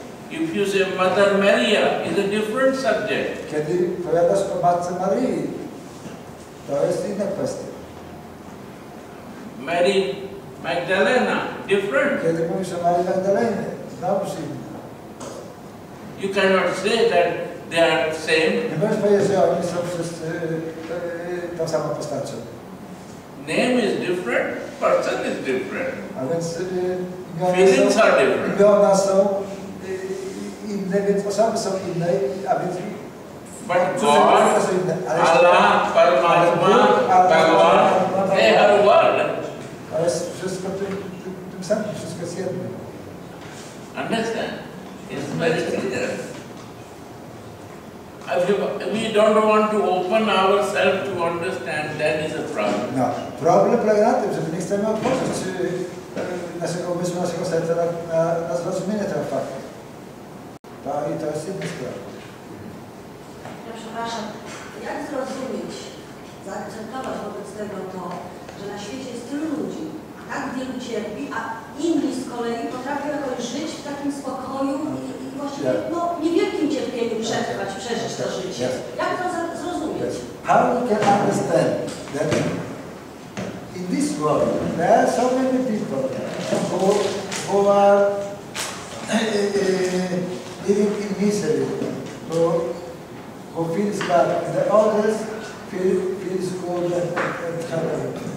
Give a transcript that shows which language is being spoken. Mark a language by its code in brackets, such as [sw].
[en] If you say Mother Maria, it's a different subject. [pl] Kiedy powiadasz o Matce Marii, to jest inna kwestia. [en] Mary Magdalena, different. [pl] Kiedy mówisz o Marii Magdalenie, znowu się inna. [en] You cannot say that they are the same. [pl] Nie możesz powiedzieć, że oni są wszyscy tą samą postacią. [en] Name is different, person is different. [pl] A więc, [en] feelings are different. [pl] Imiona są inne, więc osoby są inne, a więc... [en] But God, Allah, Paramatma, Bhagavan, they are one. [pl] Ale wszystko tym samym, wszystko jest jedno. [en] Understand? It's very clear. If we don't want to open ourselves to understand, then is a problem. [pl] No. Problem polega na tym, że my nie chcemy otworzyć naszego umysłu, naszego serca na zrozumienie tego faktu. i to jest inny sprawa. Przepraszam, jak zrozumieć, zaakceptować wobec tego to, że na świecie jest tylu ludzi, tak wielu cierpi, a inni z kolei potrafią jakoś żyć w takim spokoju i właściwie ja, no, niewielkim cierpieniu przetrwać, przeżyć to życie. Jak to zrozumieć? [en] How we can understand that in this world there are so many people who are living in misery, who feels bad, and the others feels good and happy.